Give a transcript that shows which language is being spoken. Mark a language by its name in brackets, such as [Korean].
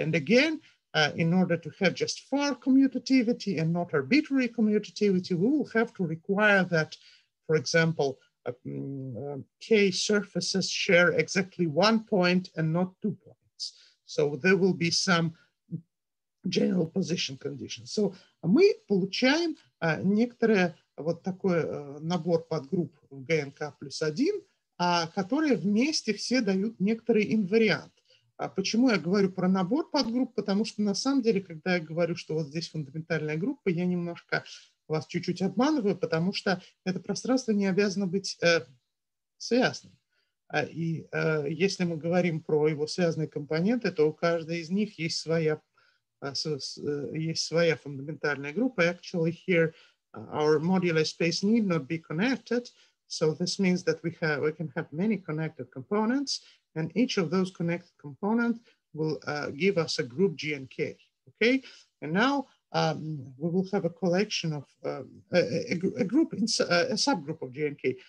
[English] And again, in order to have just far commutativity and not arbitrary commutativity, we will have to require that, for example, K surfaces share exactly one point and not two points. So there will be some general position conditions. [Russian] So мы получаем некоторое вот такой набор подгрупп в ГНК плюс один, которые вместе все дают некоторый инвариант. А почему я говорю про набор подгрупп? Потому что на самом деле, когда я говорю, что вот здесь фундаментальная группа, я немножко вас чуть-чуть обманываю, потому что это пространство не обязано быть связанным. И если мы говорим про его связанные компоненты, то у каждой из них есть своя, есть своя фундаментальная группа. [English] Actually, here our moduli space need not be connected. So this means that we have, we can have many connected components. And each of those connected components will give us a group GNK, okay? And now we will have a collection of a subgroup of GNK.